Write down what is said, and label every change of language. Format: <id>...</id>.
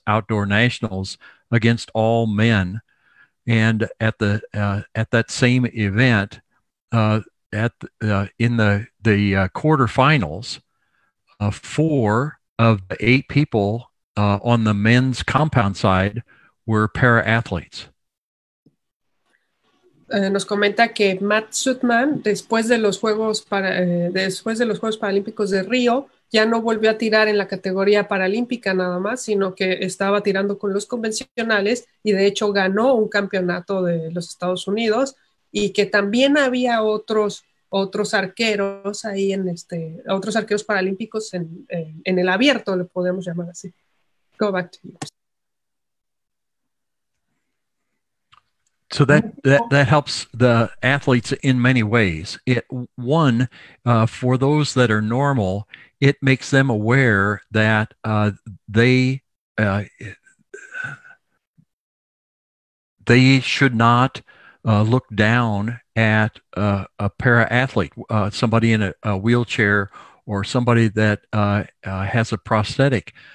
<en>Outdoor Nationals against all men. And at the at that same event, in the quarterfinals, four of the eight people on the men's compound side were para athletes.</en> <es>Nos comenta que Matt Stutzman, después de los Juegos Paralímpicos de Río, ya no volvió a tirar en la categoría paralímpica nada más, sino que estaba tirando con los convencionales y de hecho ganó un campeonato de los Estados Unidos, y que también había otros arqueros ahí en otros arqueros paralímpicos en el abierto, lo podemos llamar así.</es> <en>Go back to you. So that helps the athletes in many ways. For those that are normal, it makes them aware that they should not look down at a para athlete, somebody in a wheelchair, or somebody that has a prosthetic.</en>